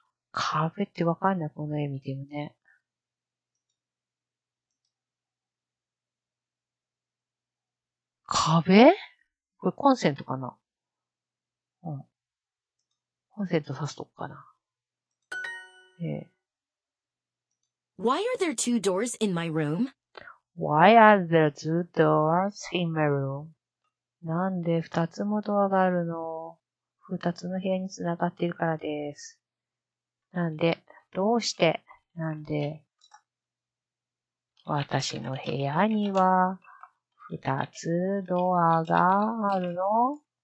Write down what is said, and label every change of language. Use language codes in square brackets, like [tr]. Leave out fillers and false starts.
[ja] 壁ってわかんない、この絵見てもね。壁?これコンセントかな?うん。コンセント刺すとこかな? ええ。 [en] Why are there two doors in my room? Why are there two doors in my room? [ja] なんで二つもドアがあるの?二つの部屋につながっているからです。なんで、どうして、なんで、私の部屋には、二つドアがあるの?